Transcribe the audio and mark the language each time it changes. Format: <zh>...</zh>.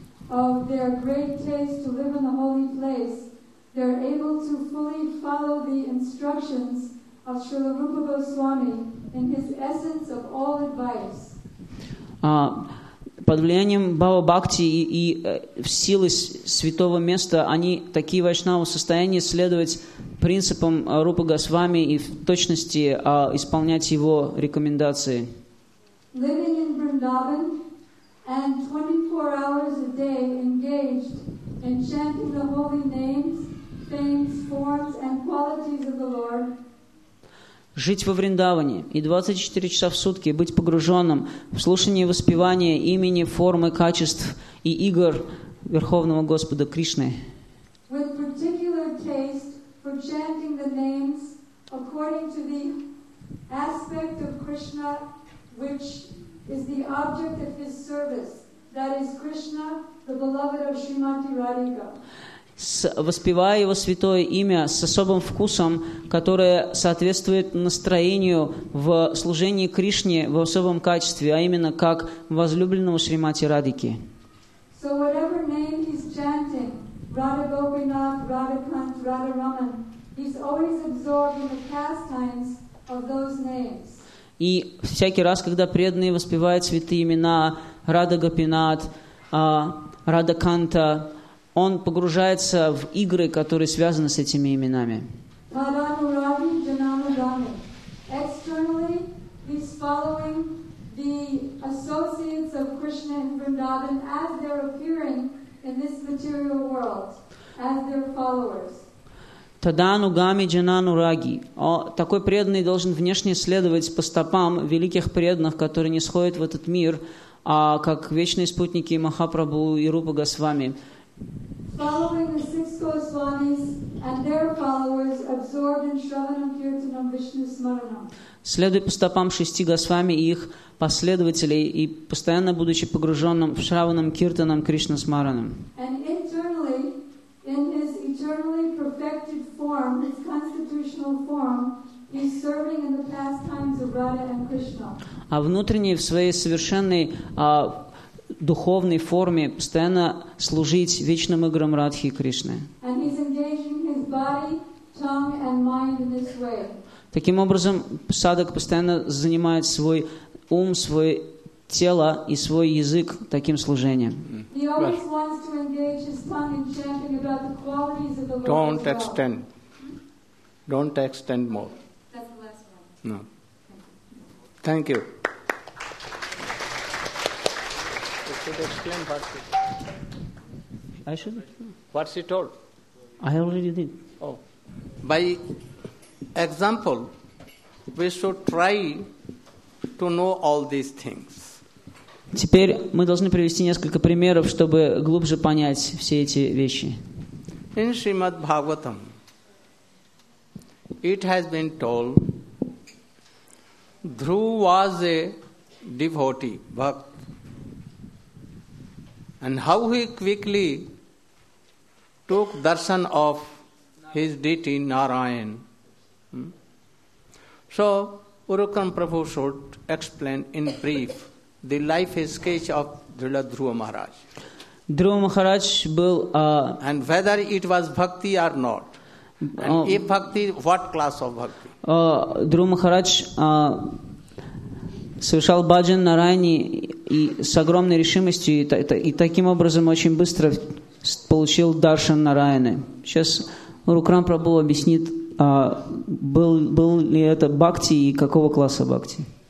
<en>Of their great taste to live in a holy place, they are able to fully follow the instructions of Srila Rupa Goswami in his essence of all advice.</en> <ru>Под влиянием Баба Бхакти и силы святого места, они такие вайшнавы в состоянии следовать принципам Рупа Госвами и в точности исполнять его рекомендации.</ru> <en>Living in Vrindavan, and 24 hours a day engaged in chanting the holy names, things, forms, and qualities of the Lord.</en> <ru>Жить во Вриндаване и 24 часа в сутки быть погруженным в слушание и воспевание имени, формы, качеств и игр Верховного Господа Кришны.</ru> <en>With particular taste for chanting the names according to the aspect of Krishna which is the object of his service, that is Krishna, the beloved of Srimati Radhika.</en> <ru>Воспевая его святое имя с особым вкусом, которое соответствует настроению в служении Кришне в особом качестве, а именно как возлюбленного Шримати Радики.</ru> <en>So whatever name he's chanting, Radha Gopinath, Radhakant, Radharaman, he's always absorbed in the pastimes of those names.</en> <ru>И всякий раз, когда преданные воспевают святые имена Радха Гопинат, Радха Канта, он погружается в игры, которые связаны с этими именами.</ru> <sa>Паданурави Джанамадами.</sa> <en>Externally, he's following the associates of Krishna and Vrindavan as they're appearing in this material world, as their followers.</en> <sa>Тадану Гами Джанану Раги.</sa> <ru>Такой преданный должен внешне следовать по стопам великих преданных, которые нисходят в этот мир, как вечные спутники Махапрабху и Рупа Госвами.</ru> <en>Following the six Goswamis and their followers absorbed in Shravanam Kirtanam Vishnu Smaranam.</en> <ru>Следуя по стопам шести Госвами и их последователей и постоянно будучи погруженным в Шраванам Киртанам Кришна Смаранам.</ru> <en>And internally, in his eternally perfected form, his constitutional form, he's serving in the pastimes of Radha and Krishna.</en> <ru>А внутренне, в своей совершенной духовной форме, постоянно служить вечным играм Радхи и Кришны.</ru> <en>And he's engaging his body, tongue, and mind in this way.</en> <ru>Таким образом, садак постоянно занимает свой ум, свое тело и свой язык таким служением.</ru> <en>He always wants to engage his tongue in chanting about the qualities of the Lord. Don't extend. Don't extend more. That's the last one. No. Thank you. I should. What's he told? I already did. Oh. By example, we should try to know all these things.</en> <ru>Теперь мы должны привести несколько примеров, чтобы глубже понять все эти вещи.</ru> <en>In Srimad Bhagavatam, it has been told, Dhruv was a devotee, bhakt. And how he quickly took darshan of his deity Narayan. So, Urukram Prabhu should explain in brief the life sketch of Drila Dhruva Maharaj.</en> <ru>Dhruva Maharaj был...</ru> <en>And whether it was bhakti or not. And if bhakti, what class of bhakti?</en> <ru>Dhruva Maharaj совершал баджан на Нарайане и с огромной решимостью и таким образом очень быстро получил даршан на Нарайане. Сейчас Урукрам Прабху объяснит, был ли это бхакти и какого класса бхакти.</ru>